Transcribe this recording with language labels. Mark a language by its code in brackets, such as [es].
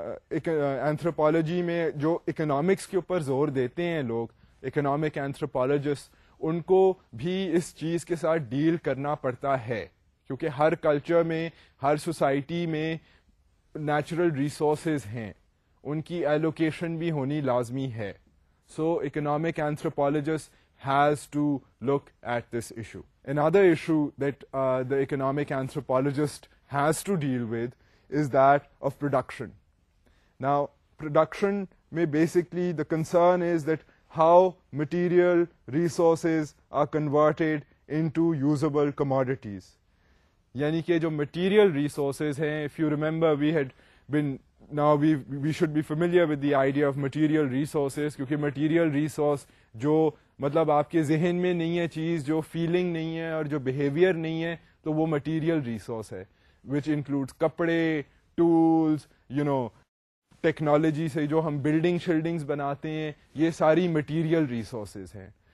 [ur] Anthropology میں جو economics کے اوپر زور دیتے ہیں لوگ, اکنامک اینتھروپالوجسٹ, ان کو بھی اس چیز کے ساتھ ڈیل کرنا پڑتا ہے کیونکہ ہر کلچر میں ہر سوسائٹی میں نیچرل ریسورسز ہیں, ان کی ایلوکیشن بھی ہونی لازمی ہے. [en] So economic anthropologist has to look at this issue. Another issue that the economic anthropologist has to deal with is that of production. Now, production may basically, the concern is that how material resources are converted into usable commodities. [ur] Yani ke jo material resources hain, [en] if you remember, we had been, now we should be familiar with the idea of material resources, [ur] kyunki material resource jo مطلب آپ کے ذہن میں نہیں ہے چیز, جو feeling نہیں ہے اور جو بیہیویئر نہیں ہے, تو وہ مٹیریل ریسورس ہے, وچ انکلوڈس کپڑے, ٹولز, یو نو, ٹیکنالوجی سے جو ہم بلڈنگ شلڈنگز بناتے ہیں, یہ ساری مٹیریل ریسورسز ہیں.